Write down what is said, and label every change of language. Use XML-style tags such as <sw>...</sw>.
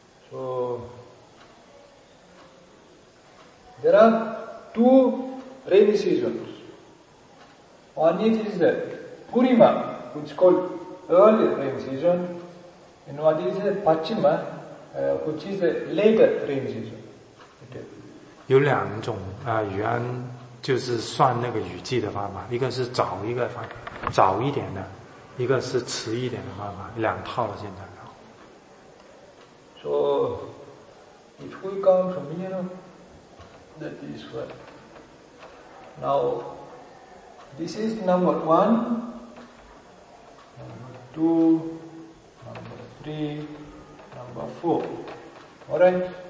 <en>So, there are two rainy seasons. One is the Purima, which is called early rainy season, and one is the Pachima, which is the later rainy season.、Okay.</en> <zh>有两种雨安就是算那个雨季的方法，一个是早一个方法，早一点的。一个是迟一点的方法，两套了现在。</zh> <en>So, if we come from here, that is what. Now, this is number one, number two, number three, number four. Alright?</en>